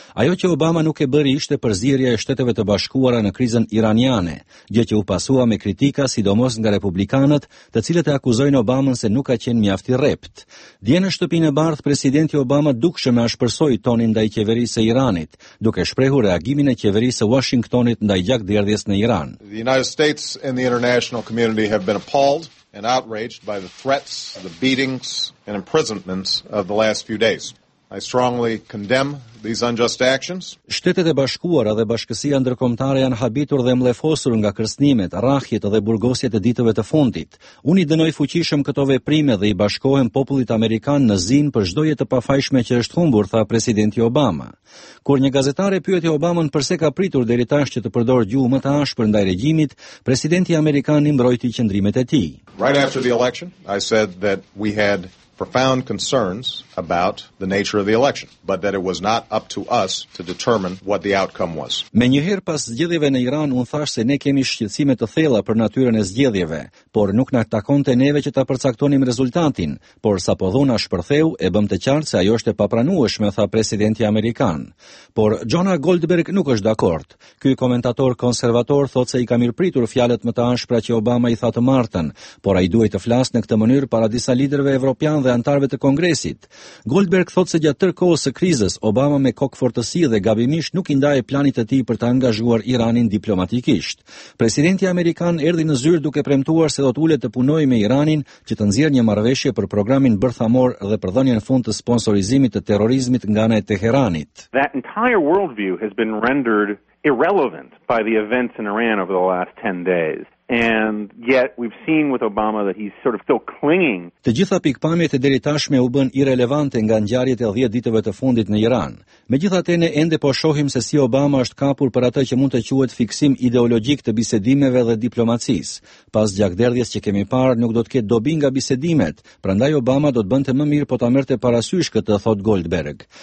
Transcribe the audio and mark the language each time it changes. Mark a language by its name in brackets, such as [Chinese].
[Albanian] Ajo që Obama nuk e bëri ishte përzierja e Shteteve të Bashkuara në krizën iraniane, gjë që u pasua me kritika sidomos nga republikanët, të cilët e akuzojnë Obamën se nuk ka qenë mjaft i rrejt. Dje në shtëpinë e bardhë, presidenti Obama dukshëm e ashpërsoi tonin ndaj qeverisë së Iranit, duke shprehur reagimin e qeverisë së Washingtonit ndaj gjakderdhjes në Iran. [English] The United States and the international community have been appalled and outraged by the threats, the beatings and imprisonments of the last few days. I strongly condemn these unjust actions. [Albanian] Shtetet e Bashkuara dhe Bashkësia Ndërkombëtare janë habitur dhe mlefosur nga kërcënimet, rrahjet dhe burgosjet e ditëve të fundit. Unë i dënoj fuqishëm këto veprime dhe i bashkohem popullit amerikan në zinë për çdo jetë pafajshme që është humbur, tha presidenti Obama. Kur një gazetare pyeti Obamën pse ka pritur deri tash që të përdorë gjuhë më të ashpër ndaj regjimit, presidenti amerikan i mbrojti qëndrimet e tij. [English] Right after the election, I said that we had profound concerns about the nature of the election, but that it was not up to us to determine what the outcome was. [Albanian] Me njëherë pas zgjedhjeve në Iran, unë thash se ne kemi shqetësime të thella për natyrën e zgjedhjeve, por nuk na takonte neve që ta përcaktonim rezultatin, por sapo dhuna shpërtheu, e bëm të qartë se ajo është e papranueshme, tha presidenti amerikan. Por Jonah Goldberg nuk është dakord. Ky komentator konservator thotë se i ka mirëpritur fjalët më të ashpra që Obama i tha të martën, por ai duhet të flasë në këtë mënyrë para disa liderëve evropianë dhe antarëve të Kongresit. Goldberg thotë se gjatë tërë kohës së krizës, Obama me kokfortësi dhe gabimisht nuk i ndaje planit të tij për të angazhuar Iranin diplomatikisht. Presidenti amerikan erdhi në zyrë duke premtuar se do të ulet të punojë me Iranin që të nxjerrë një marrëveshje për programin bërthamor dhe për dhënien fund të sponsorizimit të terrorizmit nga ana e Teheranit. [English] That entire worldview has been rendered irrelevant by the events in Iran over the last 10 days. And yet we've seen with Obama that he's sort of still clinging. [Albanian] Të gjitha pikpamjet e deri tashme u bën irrelevante nga ngjarjet e 10 ditëve të fundit në Iran. Megjithatë ne ende po shohim se si Obama është kapur për atë që mund të quhet fiksim ideologjik të bisedimeve dhe diplomacisë. Pas gjakderdhjes që kemi parë, nuk do të ketë dobi nga bisedimet, prandaj Obama do të bënte më mirë po ta merrte parasysh këtë, thot Goldberg.